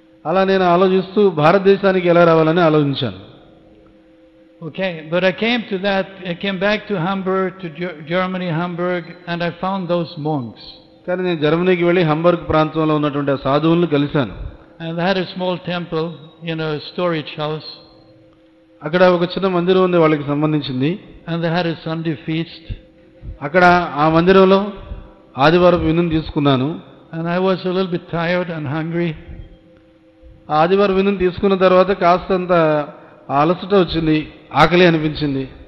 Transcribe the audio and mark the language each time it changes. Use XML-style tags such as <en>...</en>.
<te>అలా నేను ఆలోచిస్తూ భారతదేశానికి ఎలా రావాలని ఆలోచించాను.</te> <en>Okay, but I came to that, I came back to Hamburg, to Germany, Hamburg, and I found those monks.</en> <te>కానీ నేను జర్మనీకి వెళ్ళి హంబర్గ్ ప్రాంతంలో ఉన్నటువంటి సాధువులను కలిశాను.</te> <en>And they had a small temple, you know, a storage house.</en> <te>అక్కడ ఒక చిన్న మందిరం ఉంది వాళ్ళకి సంబంధించింది.</te> <en>And they had a Sunday feast.</en> <te>అక్కడ ఆ మందిరంలో ఆదివారం విందును తీసుకున్నాను.</te> <en>And I was a little bit tired and hungry.</en> <te>ఆదివారం విందును తీసుకున్న తర్వాత కాస్తంత అలసట వచ్చింది, ఆకలి అనిపించింది.</te>